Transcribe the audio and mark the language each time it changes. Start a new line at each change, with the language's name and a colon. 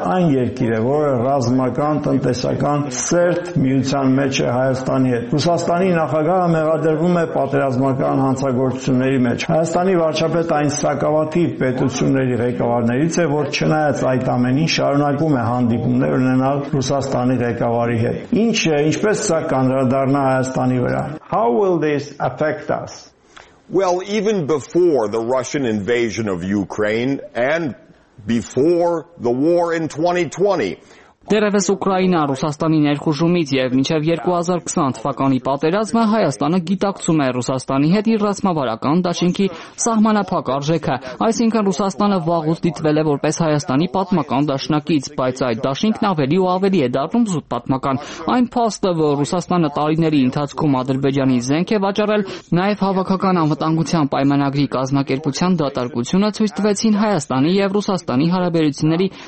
Armenian: այն երկիրը, որը ռազմական, տնտեսական սերտ միության մեջ է Հայաստանի հետ։ Ռուսաստանի նախագահը մեղադրվում է պատերազմական հանցագործությունների մեջ։ Հայաստանի վարչապետ այն սակավաթիվ պետությունների ղեկավարներից է, որ չնայած այդ ամենին շարունակում է հանդիպումներ ունենալ Ռուսաստանի ղեկավարի հետ։ Ինչ է, ինչպես սա կանդրադառնա Հայաստանի վրա։
English: How will this affect us? Well, even before the Russian invasion of Ukraine and before the war in 2020,
Armenian: Դերևս Ուկրաինա Ռուսաստանի ներխուժումից եւ մինչեւ 2020 թվականի պատերազմը Հայաստանը գիտակցում է Ռուսաստանի հետ իր ռազմավարական դաշինքի սահմանափակ արժեքը, այսինքն Ռուսաստանը վաղուց դիտվել է որպես Հայաստանի պատմական դաշնակից, բայց այդ դաշինքն ավելի ու ավելի է դառնում զուտ պատմական։ Այն փաստը, որ Ռուսաստանը տարիների ընթացքում Ադրբեջանի զենք է վաճառել, նաեւ հավաքական անվտանգության պայմանագրի կազմակերպության դատարկությունը ցույց տվեցին Հայաստանի եւ Ռուսաստանի հարաբերությունների